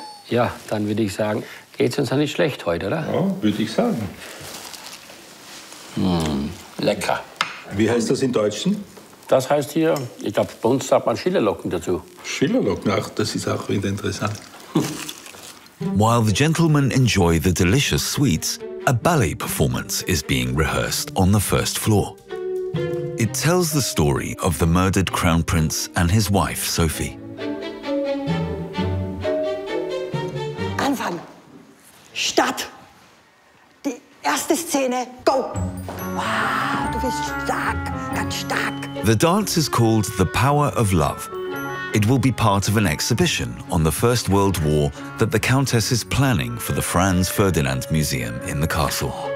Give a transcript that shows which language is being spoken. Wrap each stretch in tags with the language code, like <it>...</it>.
<de>Ja, dann würde ich sagen, geht's uns ja nicht schlecht heute, oder? Ja, würde ich sagen. Lecker. Wie heißt das in Deutschen? Das heißt hier, ich glaube, bei uns sagt man Schillerlocken dazu. Schillerlocken, ach, das ist auch wieder interessant.</de> <en>While the gentlemen enjoy the delicious sweets, a ballet performance is being rehearsed on the first floor. It tells the story of the murdered Crown Prince and his wife, Sophie.</en> <de>Start! Die erste Szene, go! Wow, du bist stark, ganz stark!</de> <en>The dance is called The Power of Love. It will be part of an exhibition on the First World War that the Countess is planning for the Franz Ferdinand Museum in the castle.</en>